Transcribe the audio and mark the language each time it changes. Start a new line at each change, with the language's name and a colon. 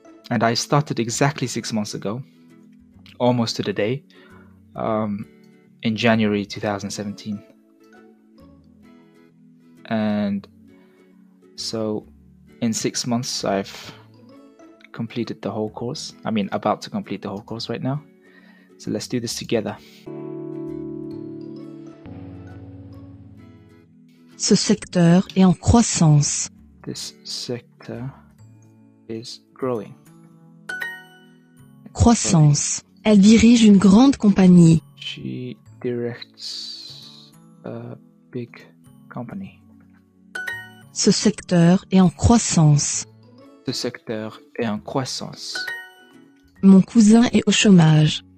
English: And I started exactly 6 months ago, almost to the day, in January 2017. And so in 6 months, I've completed the whole course. I mean, about to complete the whole course right now. So let's do this together.
French: Ce secteur est en croissance.
English: This sector is growing.
French: Croissance. Elle dirige une grande compagnie.
English: She directs a big company.
French: Ce secteur est en croissance. Ce secteur est en croissance. Mon cousin est au chômage.